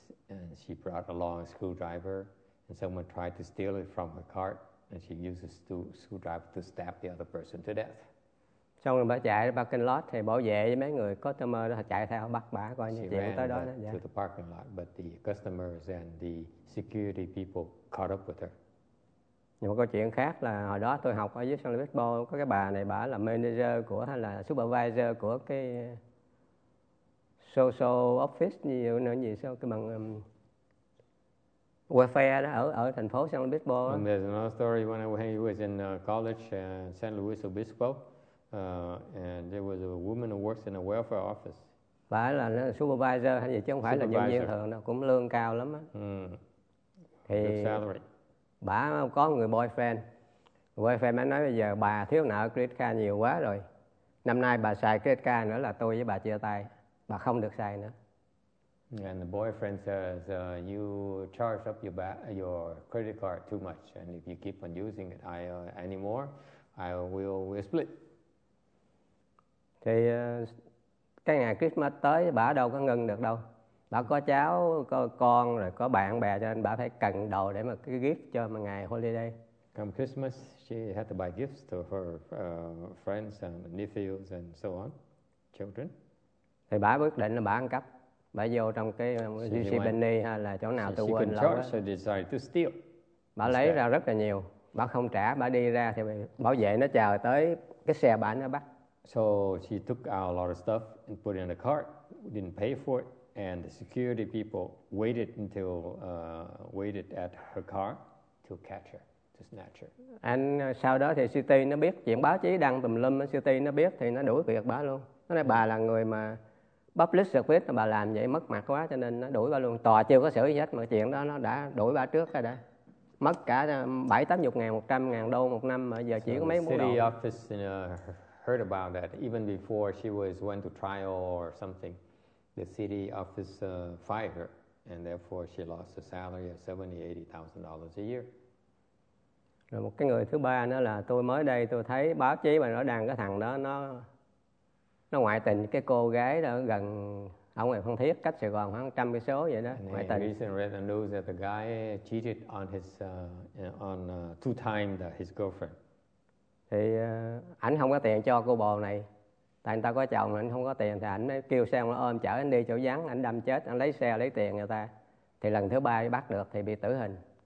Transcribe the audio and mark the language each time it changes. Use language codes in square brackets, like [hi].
[en] And she brought along a screwdriver. And someone tried to steal it from her cart. And she used a screwdriver to stab the other person to death. [vi] Xong rồi bà chạy ra parking lot thì bảo vệ với mấy người customer đó chạy theo bắt bà coi như chuyện tới đó đó. [en] To the parking lot, but the customers and the security people caught up with her. [vi] Nhưng mà câu chuyện khác là hồi đó tôi học ở dưới San Luis Obispo, có cái bà này, bà là manager của hay là supervisor của cái social office nhiều nữa gì sao cái bằng welfare đó ở thành phố San Luis Obispo. [en] And there's another story when I was in college San Luis Obispo. And there was a woman who works in a welfare office. [vi] Bà ấy là supervisor hay gì chứ không phải là nhân viên thường đâu, cũng lương cao lắm á. Thì bà có người boyfriend. Boyfriend mới nói bây giờ bà thiếu nợ credit card nhiều quá rồi. Năm nay bà xài credit card nữa là tôi với bà chia tay. Bà không được xài nữa. [en] And the boyfriend says, you charge up your credit card too much. And if you keep on using it anymore, I will split. [vi] Thì cái ngày Christmas tới bà đâu có ngừng được đâu. Bà có cháu, có con, rồi có bạn bè cho nên bà phải cần đồ để mà cái gift cho mà ngày holiday. [en] Come Christmas, she had to buy gifts to her friends and nephews and so on, children. [vi] Thì bà quyết định là bà ăn cắp. Bà vô trong cái UC Benny hay là chỗ nào tôi quên lâu [en] đó. She decided to steal. [vi] Bà lấy ra rất là nhiều. Bà không trả, bà đi ra thì bảo vệ nó chờ tới cái xe bà nó bắt. [en] So she took out a lot of stuff and put it in the cart, didn't pay for it, and the security people waited at her car to catch her, to snatch her. [vi] And sau đó thì city nó biết chuyện báo chí đăng tùm lum, city nó biết thì nó đuổi việc bà luôn. Nó nói bà là người mà public service, bà làm vậy mất mặt quá cho nên nó đuổi bà luôn. Tòa chưa có xử gì hết mà chuyện đó nó đã đuổi bà trước rồi đó. Mất cả 70,000, 100,000 đô một năm mà giờ chỉ có mấy muốn đồ. [en] City office in heard about that even before she was went to trial or something, the city office fired her, and therefore she lost a salary of $70,000-$80,000 a year. [vi] Rồi một cái người thứ ba nữa là tôi mới đây tôi thấy báo chí mà nó đăng cái thằng đó nó ngoại tình cái cô gái đó gần ông này Phan Thiết cách Sài Gòn khoảng 100 cây số vậy đó ngoại tình. [en] Recently read the news that the guy cheated on his two times his girlfriend. [vi] Thì ảnh không có tiền cho cô bồ này, Tại người ta có chồng mà anh không có tiền thì anh mới kêu xe ôm chở anh đi chỗ vắng, anh đâm chết, anh lấy xe lấy tiền người ta. Thì lần thứ ba bắt được thì bị tử hình.